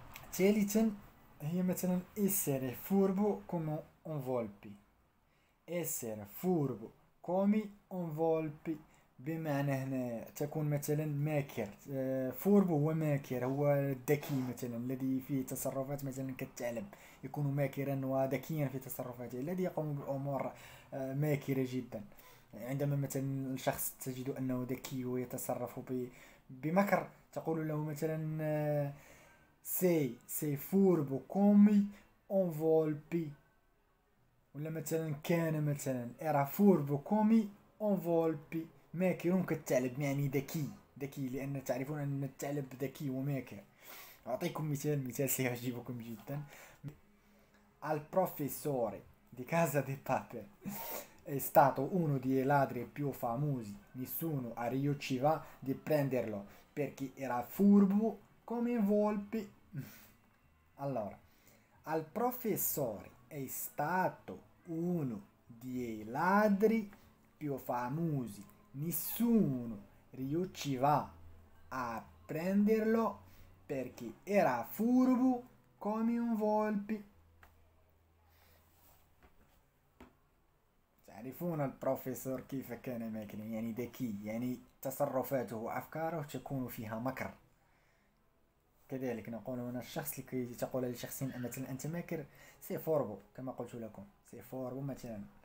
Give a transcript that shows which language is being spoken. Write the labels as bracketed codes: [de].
[it] Celicen, io metto essere furbo come un volpi. Essere furbo come un volpi. [ar] بمعنى هنا تكون مثلا ماكر. فوربو هو ماكر، هو الذكي مثلا، الذي فيه تصرفات مثلا كالثعلب، يكون ماكرا وذكيا في تصرفاته، الذي يقوم بأمور ماكرة جدا. عندما مثلا الشخص تجد أنه ذكي ويتصرف بمكر، تقول له مثلا [it] سي فوربو كومي انفولبي، [ar] ولا مثلا كان مثلا [it] ارا فوربو كومي انفولبي. [ar] ماكر كالثعلب، يعني ذكي ذكي، لأن تعرفون أن الثعلب ذكي وماكر. أعطيكم مثال سيعجبكم جدا. [it] البروفيسوري دي كازا دي بابل è stato uno dei ladri più famosi. Nessuno riusciva a prenderlo perché era furbo come i volpi. Allora, al professore è stato uno dei ladri più famosi. Nessuno riusciva a prenderlo perché era furbo come un volpi. [ar] تعرفون البروفيسور كيف كان ماكر، يعني ذكي، يعني تصرفاته وأفكاره تكون فيها مكر. كذلك نقول هنا الشخص لكي تقول لشخص مثلا أنت ماكر، [it] سي فوربو [ar] كما قلت لكم، سي فوربو مثلا.